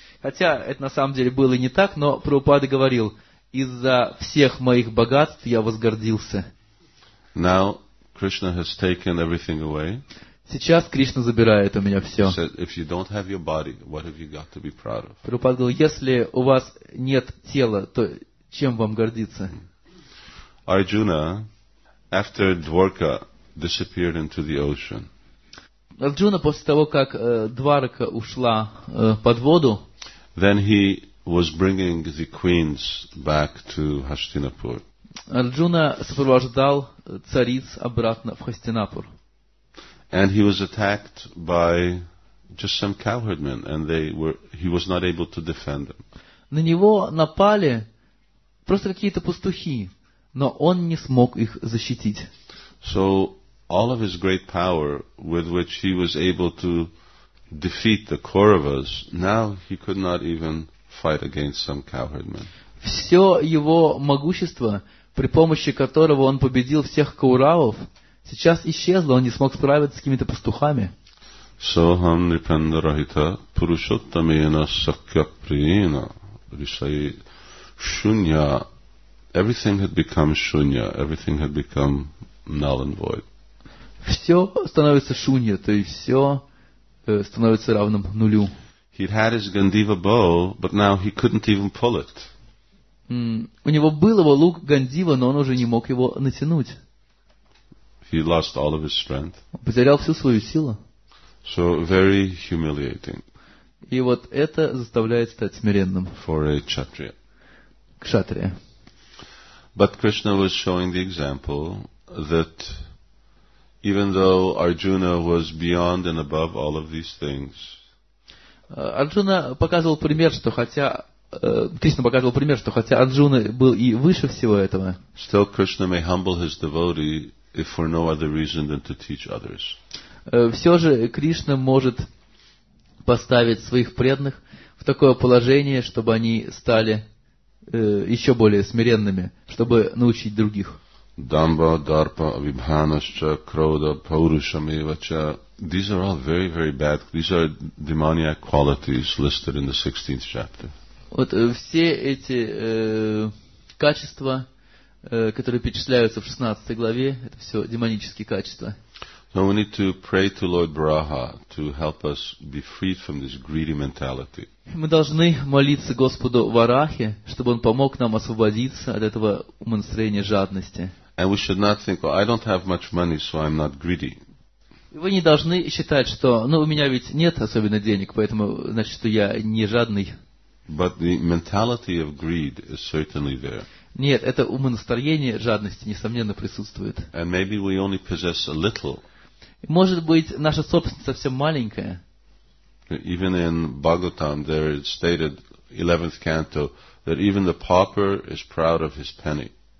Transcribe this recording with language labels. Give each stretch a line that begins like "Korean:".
Russian: Хотя это на самом деле было и не так, но Прабхупада говорил, из-за всех моих богатств я возгордился.
English: Now Krishna has taken everything away.
Russian: Сейчас Кришна забирает у меня все.
English: Said, if you don't have your body, what have you got to be proud of?
Russian: Прабхупада говорил, если у вас нет тела, то чем вам гордиться?
English: Arjuna, after Dwarka disappeared into the ocean.
Russian: Arjuna после того, как Дварка ушла под воду,
English: then he was bringing the queens back to Hastinapur.
Russian: Arjuna сопровождал цариц обратно в Хастинапур.
English: And he was attacked by just some cowherd men, and he was not able to defend them.
Russian: На него напали просто какие-то пастухи, но он не смог их защитить.
English: So all of his great power with which he was able to defeat the Kauravas, now he could not even fight against some cowherd men.
Russian: Все его могущество, при помощи которого он победил всех Кауравов, сейчас исчезло, он не смог справиться с какими-то пастухами.
Sanskrit: Soham nipendrahita purushottamena sakyapriena rishai.
English: Shunya, everything had become shunya, everything had become null and void.
Russian: Все становится шунья, то есть все становится равным нулю.
English: He'd had his Gandiva bow, but now he couldn't even pull it.
Russian: У него был его лук Гандива, но он уже не мог его натянуть.
English: He lost all of his strength.
Russian: Потерял всю свою силу.
English: So very humiliating.
Russian: И вот это заставляет стать смиренным.
English: For a kshatriya.
Russian: Кшатрия.
English: But Krishna was showing the example that even though Arjuna was beyond and above all of these things,
Russian: Арджуна показывал пример, что хотя Кришна показывал пример, что хотя Арджуна был и выше всего этого,
English: still Krishna may humble his devotee if for no other reason than to teach others.
Russian: Все же Кришна может поставить своих преданных в такое положение, чтобы они стали еще более смиренными, чтобы научить других.
Sanskrit: Дамба, дарпа, вибханасча, крода, паурушамевача.
English: These are all very, very bad. These are demoniac qualities listed in the 16th chapter.
Russian: Вот все эти качества, которые перечисляются в 16 главе, это все демонические качества.
English: So we need to pray to Lord Brahma to help us be freed from this greedy mentality.
Russian: Мы должны молиться Господу Варахе, чтобы он помог нам освободиться от этого умонастроения жадности.
English: And we should not think, oh, I don't have much money, so I'm not greedy.
Russian: Вы не должны считать, что, ну, у меня ведь нет особенно денег, поэтому, значит, что я не жадный.
English: But the mentality of greed is certainly there.
Russian: Нет, это умонастроение жадности, несомненно, присутствует.
English: And maybe we only possess a little.
Russian: Может быть, наша собственность совсем маленькая.
English: Even in Bhagavatam, there is stated, 11th canto, that even the pauper is proud of his penny.